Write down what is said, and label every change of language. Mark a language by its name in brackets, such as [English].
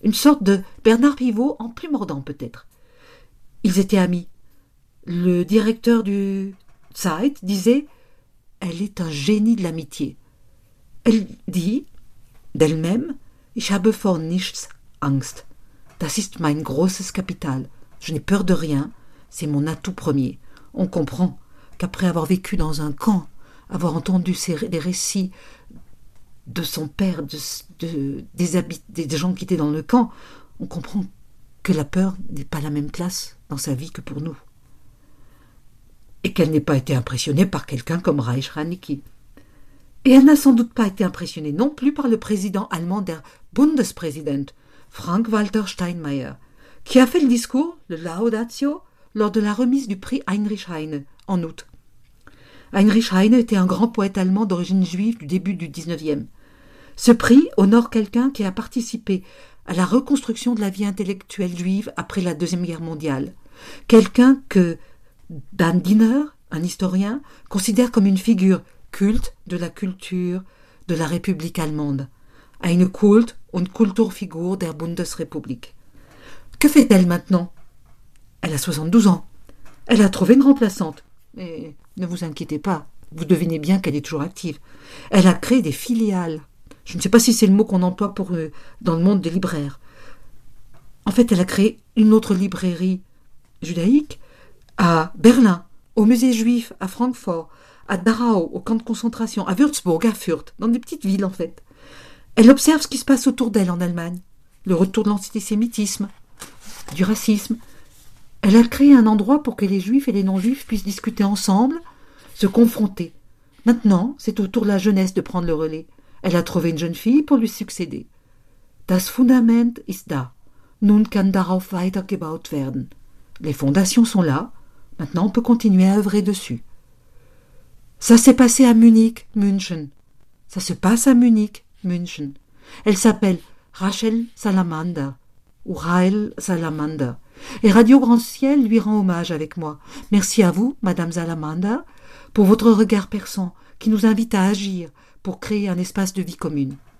[French] Une sorte de Bernard Pivot en plus mordant peut-être. Ils étaient amis. Le directeur du Zeit disait « Elle est un génie de l'amitié ». Elle dit d'elle-même [German] « Ich habe vor nichts Angst. Das ist mein großes Kapital. [French] Je n'ai peur de rien, c'est mon atout premier ». On comprend qu'après avoir vécu dans un camp, avoir entendu les récits de son père, des gens qui étaient dans le camp, on comprend que la peur n'est pas la même place dans sa vie que pour nous. Et qu'elle n'ait pas été impressionnée par quelqu'un comme Reich-Ranicki. Et elle n'a sans doute pas été impressionnée non plus par le président allemand [German] der Bundespräsident, [French] Frank-Walter Steinmeier, qui a fait le discours, le Laudatio, lors de la remise du prix Heinrich Heine en août. Heinrich Heine était un grand poète allemand d'origine juive du début du XIXe. Ce prix honore quelqu'un qui a participé à la reconstruction de la vie intellectuelle juive après la Deuxième Guerre mondiale. Quelqu'un que Dan Diner, un historien, considère comme une figure culte de la culture de la République allemande. [German] Eine Kult- und Kulturfigur der Bundesrepublik. [French] Que fait-elle maintenant? Elle a 72 ans. Elle a trouvé une remplaçante. Mais ne vous inquiétez pas, vous devinez bien qu'elle est toujours active. Elle a créé des filiales. Je ne sais pas si c'est le mot qu'on emploie pour dans le monde des libraires. En fait, elle a créé une autre librairie judaïque à Berlin, au musée juif à Francfort, à Dachau, au camp de concentration, à Würzburg, à Fürth, dans des petites villes en fait. Elle observe ce qui se passe autour d'elle en Allemagne. Le retour de l'antisémitisme, du racisme. Elle a créé un endroit pour que les juifs et les non-juifs puissent discuter ensemble, se confronter. Maintenant, c'est au tour de la jeunesse de prendre le relais. Elle a trouvé une jeune fille pour lui succéder. [German] Das Fundament ist da. Nun kann darauf weitergebaut werden. [French] Les fondations sont là. Maintenant, on peut continuer à œuvrer dessus. Ça s'est passé à Munich, München. Ça se passe à Munich, München. Elle s'appelle Rachel Salamander ou Rael Salamander. Et Radio Grand Ciel lui rend hommage avec moi. Merci à vous, Madame Zalamanda, pour votre regard perçant qui nous invite à agir pour créer un espace de vie commune.